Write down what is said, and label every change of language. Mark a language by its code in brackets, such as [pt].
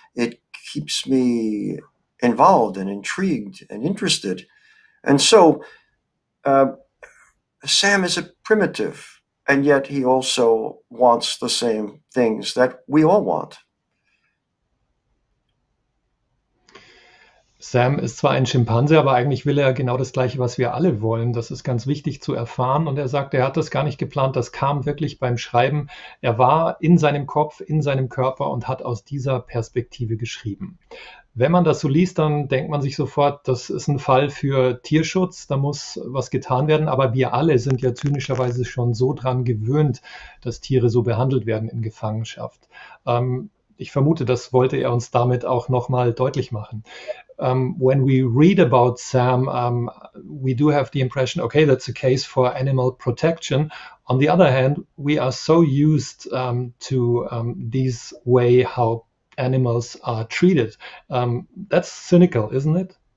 [en] It keeps me involved and intrigued and interested. And so Sam is a primitive, and yet he also wants the same things that we all want. [de] Sam ist zwar ein Schimpanse, aber eigentlich will er genau das Gleiche, was wir alle wollen. Das ist ganz wichtig zu erfahren. Und er sagt, er hat das gar nicht geplant. Das kam wirklich beim Schreiben. Er war in seinem Kopf, in seinem Körper und hat aus dieser Perspektive geschrieben. Wenn man das so liest, dann denkt man sich sofort, das ist ein Fall für Tierschutz. Da muss was getan werden. Aber wir alle sind ja zynischerweise schon so dran gewöhnt, dass Tiere so behandelt werden in Gefangenschaft. Ich vermute, das wollte er uns damit auch nochmal deutlich machen. [en] When we read about Sam, we do have the impression, okay, that's a case for animal protection. On the other hand, we are so used to this way how animals are treated. That's cynical, isn't it?